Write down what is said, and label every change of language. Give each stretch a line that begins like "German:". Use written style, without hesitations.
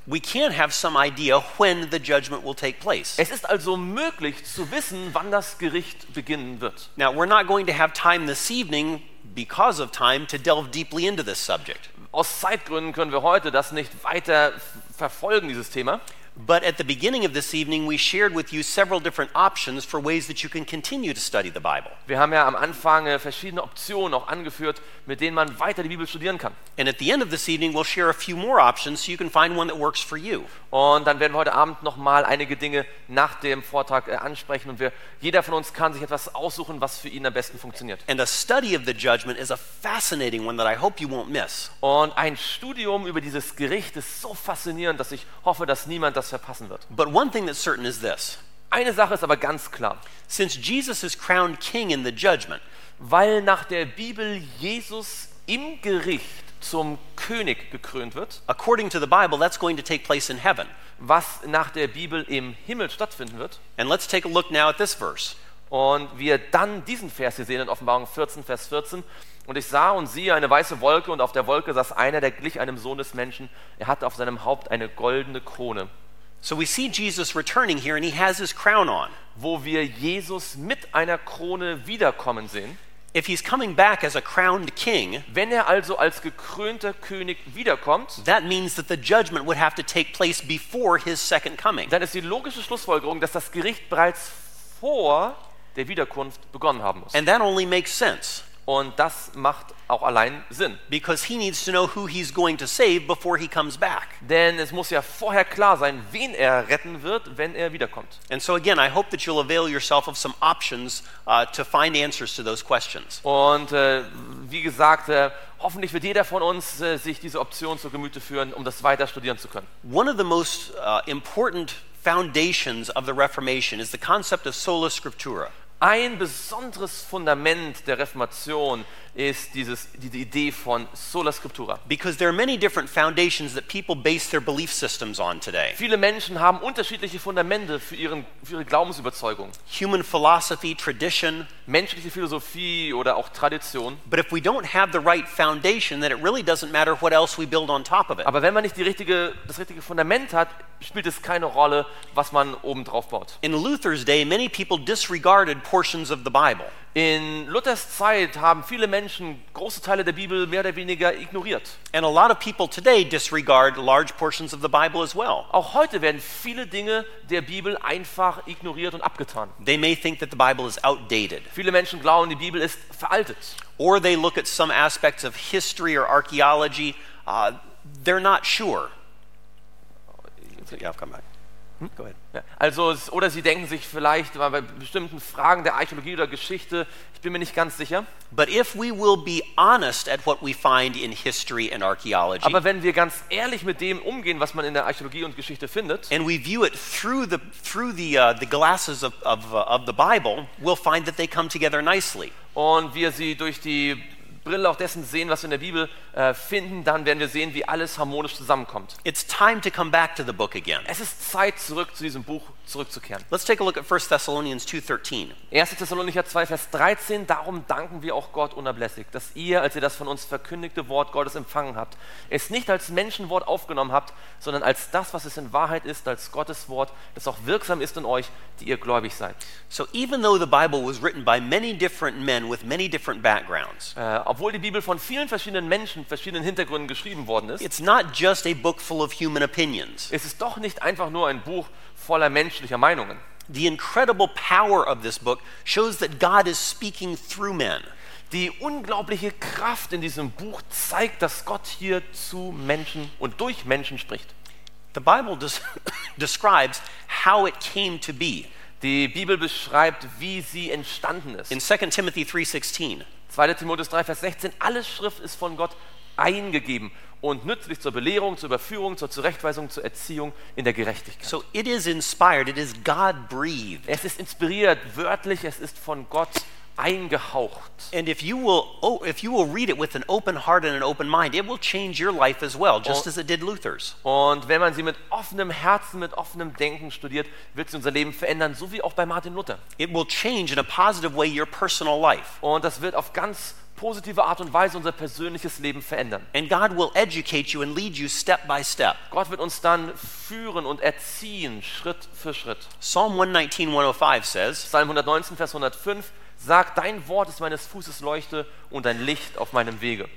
English: We can't have some idea when the judgment will take place.
German: Es ist also möglich zu wissen, wann das Gericht beginnen wird.
English: Now we're not going to have time this evening because of time to delve deeply into this subject.
German: Aus Zeitgründen können wir heute das nicht weiter verfolgen, dieses Thema.
English: But at the beginning of this evening we shared with you several different options for ways that you can continue to study the Bible.
German: Wir haben ja am Anfang verschiedene Optionen auch angeführt, mit denen man weiter die Bibel studieren kann.
English: And at the end of this evening we'll share a few more options so you can find one that works for you.
German: Und dann werden wir heute Abend noch mal einige Dinge nach dem Vortrag ansprechen und jeder von uns kann sich etwas aussuchen, was für ihn am besten funktioniert.
English: And a study of the judgment is a fascinating one that I hope you won't miss.
German: Und ein Studium über dieses Gericht ist so faszinierend, dass ich hoffe, dass niemand das verpassen wird.
English: But one thing that's certain is this.
German: Eine Sache ist aber ganz klar.
English: Since Jesus is crowned king in the judgment,
German: weil nach der Bibel Jesus im Gericht zum König gekrönt wird.
English: According to the Bible, that's going to take place in heaven.
German: Was nach der Bibel im Himmel stattfinden wird.
English: And let's take a look now at this verse.
German: Und wir dann diesen Vers hier sehen in Offenbarung 14, Vers 14. Und ich sah und siehe eine weiße Wolke, und auf der Wolke saß einer, der glich einem Sohn des Menschen. Er hatte auf seinem Haupt eine goldene Krone.
English: So we see Jesus returning here, and he has his crown on.
German: Wo wir Jesus mit einer Krone wiederkommen sehen.
English: If he's coming back as a crowned king,
German: wenn er also als gekrönter König wiederkommt,
English: that means that the judgment would have to take place before his second coming.
German: Dann ist die logische Schlussfolgerung, dass das Gericht bereits vor der Wiederkunft begonnen haben muss.
English: And that only makes sense.
German: Und das macht auch allein Sinn.
English: Because he needs to know who he's going to save before he comes back.
German: Denn es muss ja vorher klar sein, wen er retten wird, wenn er wiederkommt.
English: And so again, I hope that you'll avail yourself of some options to find answers to those questions.
German: Und wie gesagt, hoffentlich wird jeder von uns sich diese Option zu Gemüte führen, um das weiter studieren zu können.
English: One of the most important foundations of the Reformation is the concept of sola scriptura.
German: Ein besonderes Fundament der Reformation ist diese Idee von sola scriptura.
English: Because there are many different foundations that people base their belief systems on today.
German: Viele Menschen haben unterschiedliche Fundamente für ihre Glaubensüberzeugung.
English: Human philosophy, tradition,
German: menschliche Philosophie oder auch Tradition.
English: But if we don't have the right foundation, then it really doesn't matter what else we build on top of it.
German: Aber wenn man nicht das richtige Fundament hat, spielt es keine Rolle, was man oben drauf baut.
English: In Luther's day, many people disregarded portions of the Bible.
German: In Luthers Zeit haben viele Menschen große Teile der Bibel mehr oder weniger ignoriert.
English: And a lot of people today disregard large portions of the Bible as well.
German: Auch heute werden viele Dinge der Bibel einfach ignoriert und abgetan.
English: They may think that the Bible is outdated.
German: Viele Menschen glauben, die Bibel ist veraltet.
English: Or they look at some aspects of history or archaeology, they're not sure. Yeah, I've come back. Go ahead.
German: Also, oder sie denken sich vielleicht bei bestimmten Fragen der Archäologie oder Geschichte, ich bin mir nicht ganz sicher.
English: But if we will be honest at what we find in history and archaeology.
German: Aber wenn wir ganz ehrlich mit dem umgehen, was man in der Archäologie und Geschichte findet.
English: And we view it through the glasses of the Bible, we'll find that they come together nicely.
German: Und wir sie durch die Brille auch dessen sehen, was wir in der Bibel finden, dann werden wir sehen, wie alles harmonisch zusammenkommt.
English: It's time to come back to the book again.
German: Es ist Zeit, zurück zu diesem Buch zurückzukehren.
English: Let's take a look at 1 Thessalonians 2:13.
German: 1. Thessalonicher 2, Vers 13. Darum danken wir auch Gott unablässig, dass ihr, als ihr das von uns verkündigte Wort Gottes empfangen habt, es nicht als Menschenwort aufgenommen habt, sondern als das, was es in Wahrheit ist, als Gottes Wort, das auch wirksam ist in euch, die ihr gläubig seid.
English: So even though the Bible was written by many different men with many different backgrounds.
German: Obwohl die Bibel von vielen verschiedenen Menschen, verschiedenen Hintergründen geschrieben worden ist.
English: It's not just a book full of human opinions.
German: Es ist doch nicht einfach nur ein Buch voller menschlicher Meinungen.
English: The incredible power of this book shows that God is speaking through men.
German: Die unglaubliche Kraft in diesem Buch zeigt, dass Gott hier zu Menschen und durch Menschen spricht.
English: The Bible describes how it came to be.
German: Die Bibel beschreibt, wie sie entstanden ist.
English: In 2 Timothy 3:16.
German: 2. Timotheus 3, Vers 16. Alle Schrift ist von Gott eingegeben und nützlich zur Belehrung, zur Überführung, zur Zurechtweisung, zur Erziehung in der Gerechtigkeit.
English: So it is inspired, it is God breathed.
German: Es ist inspiriert, wörtlich, es ist von Gott eingehaucht.
English: And if you will read it with an open heart and an open mind, it will change your life as well, just as it did Luther's.
German: Und wenn man sie mit offenem Herzen, mit offenem Denken studiert, wird sie unser Leben verändern, so wie auch bei Martin Luther.
English: It will change in a positive way your personal life.
German: Und das wird auf ganz positive Art und Weise unser persönliches Leben verändern.
English: And God will educate you and lead you step by step.
German: Gott wird uns dann führen und erziehen, Schritt für Schritt.
English: Psalm 119:105 says.
German: Psalm 119, Vers 105. Sag, dein Wort ist meines Fußes Leuchte und ein Licht auf meinem Wege.